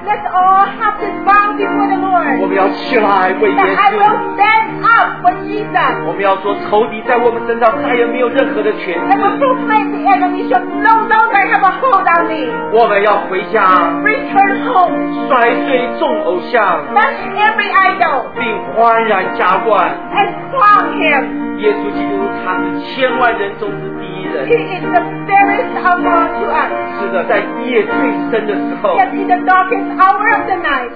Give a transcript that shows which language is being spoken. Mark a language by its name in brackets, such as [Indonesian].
[English] Let's all have this vow before the Lord. [Chinese] 我们要起来为耶稣。 [English] I will stand up for Jesus. [Chinese] 我们要说仇敌在我们身上再也没有任何的权利。 [English] And the foe face the enemy shall no longer have a hold on me. [Chinese] 我们要回家。 [English] Return home. [Chinese] 摔碎众偶像。 [English] Smash every idol. [Chinese] 并欢然加冠。 [English] And flog him. [Chinese] 耶稣基督他是千万人中之第一人。 [English] He is the fairest of all to us. [Chinese] 是的，在夜最深的时候。 [English] Yet in the darkest hour of the night.